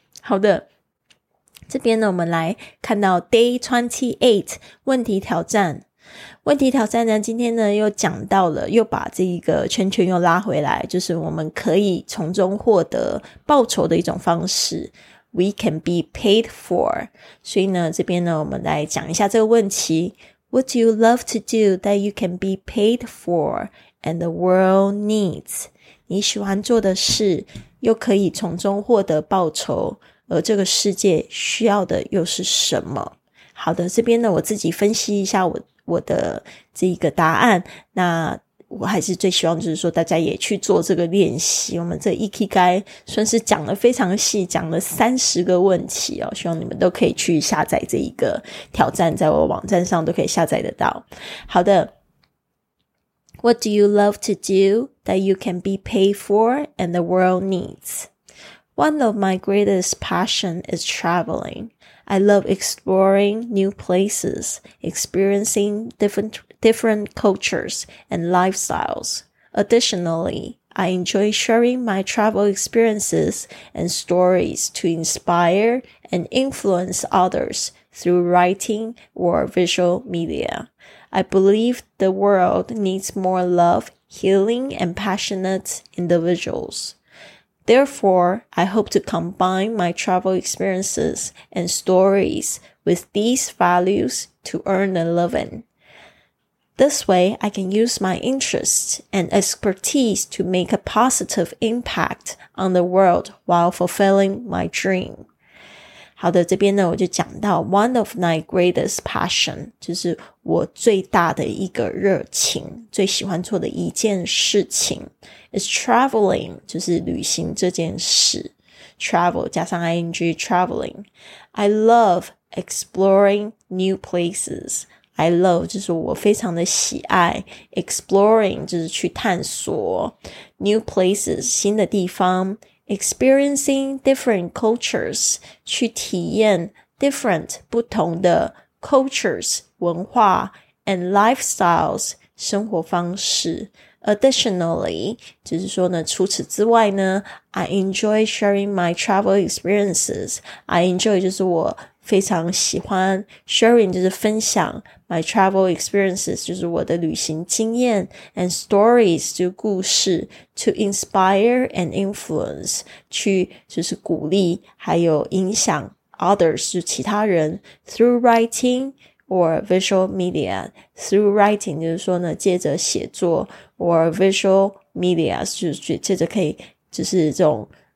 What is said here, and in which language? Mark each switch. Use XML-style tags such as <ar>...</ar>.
<zh>好的，这边呢我们来看到 Day 28问题挑战。问题挑战呢今天呢又讲到了，又把这一个圈圈又拉回来，就是我们可以从中获得报酬的一种方式，</zh> <en>We can be paid for。</en> <zh>所以呢这边呢我们来讲一下这个问题，</zh> <en>What do you love to do that you can be paid for and the world needs？</en> <zh>你喜欢做的事又可以从中获得报酬，而这个世界需要的又是什么？好的，这边呢我自己分析一下我的这一个答案，那我还是最希望就是说大家也去做这个练习。我们这 Ikigai 算是讲了非常细，讲了30个问题哦，希望你们都可以去下载这一个挑战，在我网站上都可以下载得到。</zh> <en>好的， What do you love to do? That you can be paid for and the world needs. One of my greatest passions is traveling. I love exploring new places, experiencing different cultures and lifestyles. Additionally, I enjoy sharing my travel experiences and stories to inspire and influence others through writing or visual media. I believe the world needs more love,healing and passionate individuals. Therefore, I hope to combine my travel experiences and stories with these values to earn a living. This way, I can use my interests and expertise to make a positive impact on the world while fulfilling my dream.</en> <zh>好的，这边呢，我就讲到</zh> <en>one of my greatest passion,</en> <zh>就是我最大的一个热情，最喜欢做的一件事情</zh> <en>is traveling,</en> <zh>就是旅行这件事。</zh> <en>travel</en> <zh>加上</zh> <en>ing, traveling. I love exploring new places. I love,</en> <zh>就是我非常的喜爱 exploring, 就是去探索</zh> <en>new places,</en> <zh>新的地方。</zh> <en>Experiencing different cultures,</en> <zh>去体验</zh> <en>different</en> <zh>不同的</zh> <en>cultures, 文化 and lifestyles,</en> <zh>生活方式。</zh> <en>Additionally,</en> <zh>就是说呢，除此之外呢，</zh> <en>I enjoy sharing my travel experiences. I enjoy</en> <zh>就是我非常喜欢</zh> <en>sharing</en> <zh>就是分享</zh> <en>my travel experiences</en> <zh>就是我的旅行经验</zh> <en>and stories 就是故事 to inspire and influence</en> <zh>去就是鼓励还有影响</zh> <en>others 就其他人 through writing or visual media through writing</en> <zh>就是说呢借着写作</zh> <en>or visual media</en> <zh>就是借着可以就是这种</zh>